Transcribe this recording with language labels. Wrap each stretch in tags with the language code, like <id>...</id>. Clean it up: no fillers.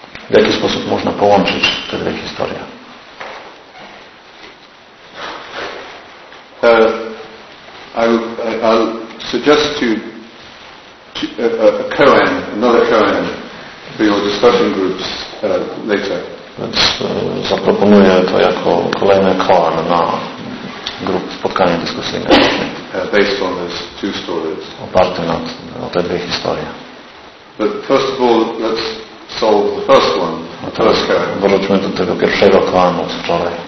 <pl>W jaki sposób można połączyć te dwie historie?</pl> <en>I'll suggest to you a koan, another koan, for your discussion groups later.</en> <pl>Więc zaproponuję to jako kolejny koan na grup spotkania dyskusyjne.</pl> <en>Based on those two stories.</en> <pl>Oparty na te dwie historie.</pl> <en>But first of all, let's solve the first one.</en> <pl>Teraz wróćmy do tego pierwszego koanu z wczoraj.</pl>